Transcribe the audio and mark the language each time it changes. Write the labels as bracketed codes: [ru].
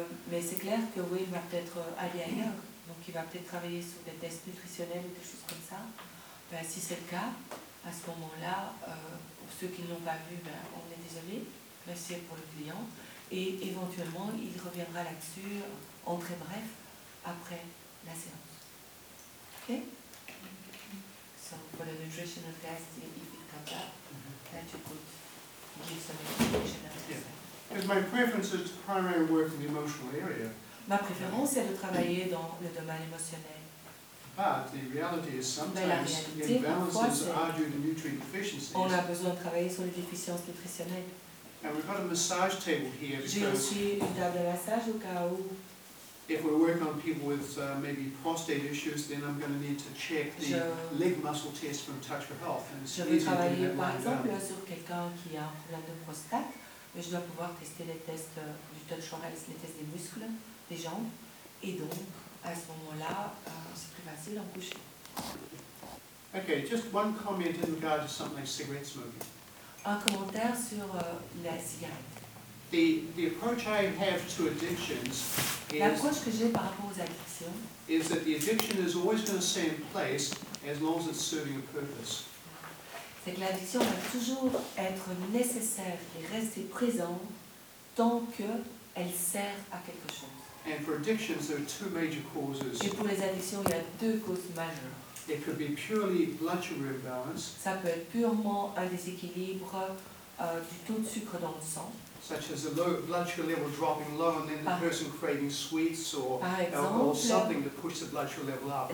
[fr] Mais c'est clair que Will va peut-être aller ailleurs, donc il va peut-être travailler sur des tests nutritionnels ou des choses comme ça. Ben, si c'est le cas, à ce moment-là, pour ceux qui ne l'ont pas vu, ben, on est désolé, merci pour le client. Et éventuellement, il reviendra là-dessus en très bref après la séance. [en] Okay? So for the nutritional test, if it comes up, that you could give some information. Because my preference is to primarily work in the emotional area. [fr] Ma préférence est de travailler dans le domaine émotionnel. [en] But the reality is sometimes the imbalances are due to nutrient deficiencies. [fr] On a besoin de travailler sur les déficiences nutritionnelles. [en] And we've got a massage table here. [fr] J'ai aussi une table de massage au cas où. [en] if we're working on people with maybe prostate issues, then I'm going to need to check the leg muscle test from Touch for Health. And it's [fr] je vais travailler par exemple sur quelqu'un qui a un problème de prostate, mais je dois pouvoir tester les tests du Touch for Health, les tests des muscles, des jambes, et donc à ce moment-là, c'est plus facile d'en coucher. [en] Okay, just one comment in regard to something like cigarette smoking. [fr] Un commentaire sur la cigarette. [en] The approach I have to addictions is that the addiction is always going to stay in place as long as it's serving a purpose. [fr] C'est que l'addiction va toujours être nécessaire et rester présente tant qu'elle sert à quelque chose. [en] And for addictions, there are two major causes. [fr] Et pour les addictions, il y a deux causes majeures. [en] It could be purely blood sugar imbalance. [fr] Ça peut être purement un déséquilibre du taux de sucre dans le sang. [en] Such as a low blood sugar level dropping low, and then the person craving sweets or alcohol, something to push the blood sugar level up.